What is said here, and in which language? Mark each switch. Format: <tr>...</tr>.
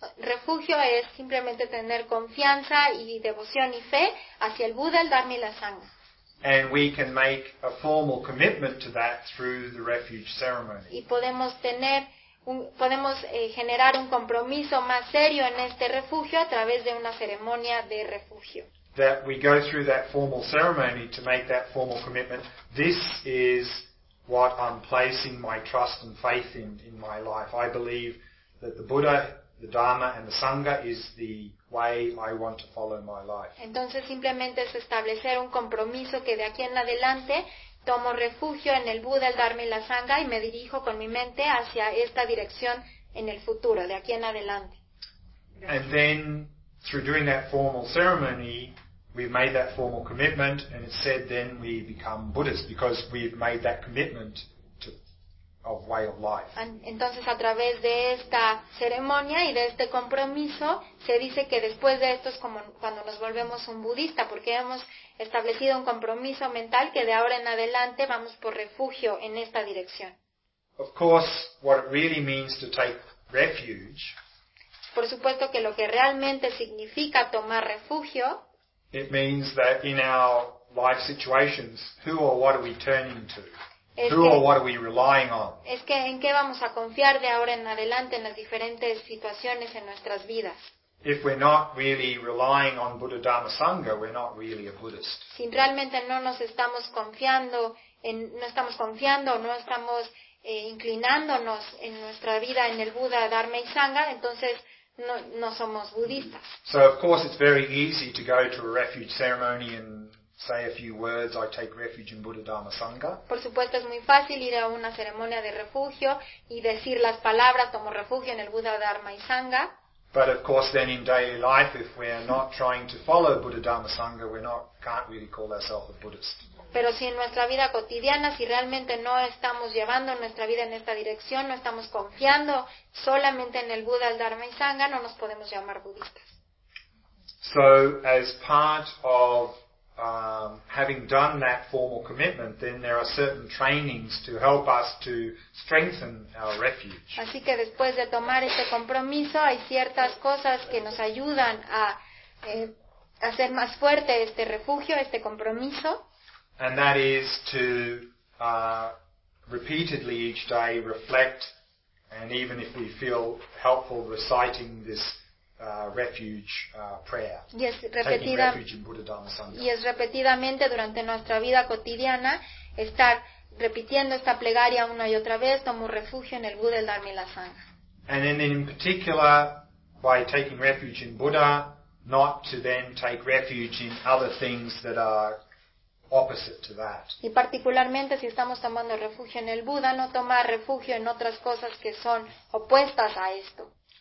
<es>Refugio es simplemente tener confianza y devoción y fe hacia el Buda, el Dharma y la Sangha.</es> <en>And we can make a formal commitment to that through the refuge ceremony.</en> <es>Y podemos tener un, podemos generar un compromiso más serio en este refugio a través de una ceremonia de refugio.</es> <en>That we go through that formal ceremony to make that formal commitment. This is what I'm placing my trust and faith in my life. I believe that the Buddha, the Dharma and the Sangha is the way I want to follow my life.</en> <es>Entonces simplemente es establecer un compromiso que de aquí en adelante tomo refugio en el Buda, el Dharma y la Sangha y me dirijo con mi mente hacia esta dirección en el futuro, de aquí en adelante. Gracias.</es> <en>And then through doing that formal ceremony, we've made that formal commitment, and it's said then we become Buddhists because we've made that commitment to of way of life.</en> <es>And, entonces a través de esta ceremonia y de este compromiso se dice que después de esto es como cuando nos volvemos un budista porque hemos establecido un compromiso mental que de ahora en adelante vamos por refugio en esta dirección.</es> <en>Of course, what it really means to take refuge.</en> <es>Por supuesto que lo que realmente significa tomar refugio.</es> <en>It means that in our life situations, who or what are we turning to? Who or what are we relying on?</en> <es>Es que en qué vamos a confiar de ahora en adelante en las diferentes situaciones en nuestras vidas.</es> <en>If we're not really relying on Buddha, Dharma, Sangha, we're not really a Buddhist.</en> <es>Si realmente no nos estamos confiando en, no estamos confiando, no estamos inclinándonos en nuestra vida en el Buda, Dharma y Sangha, entonces no somos budistas.</es> <en>So of course it's very easy to go to a refuge ceremony and say a few words, I take refuge in Buddha, Dharma, Sangha.</en> <es>Por supuesto es muy fácil ir a una ceremonia de refugio y decir las palabras, tomo refugio en el Buda, Dharma y Sangha.</es> <en>But of course then in daily life, if we are not trying to follow Buddha, Dharma, Sangha, can't really call ourselves a Buddhist.</en> <es>Pero si en nuestra vida cotidiana, si realmente no estamos llevando nuestra vida en esta dirección, no estamos confiando solamente en el Buda, el Dharma y Sangha, no nos podemos llamar budistas.</es> <en>So, as part of having done that formal commitment, then there are certain trainings to help us to strengthen our refuge.</en> <es>Así que después de tomar este compromiso, hay ciertas cosas que nos ayudan a hacer más fuerte este refugio, este compromiso.</es> <en>And that is to repeatedly each day reflect, and even if we feel helpful, reciting this refuge prayer. Yes, taking refuge in Buddha, Dharma, Sangha.</en> <es>Y es repetidamente durante nuestra vida cotidiana estar repitiendo esta plegaria una y otra vez, tomo refugio en el Buda, el Dharma y la Sangha.</es> <en>And then in particular, by taking refuge in Buddha, not to then take refuge in other things that are opposite to that.</en> <es>Y particularmente si estamos tomando refugio en el Buda, no tomar refugio en otras cosas que son opuestas a esto.</es>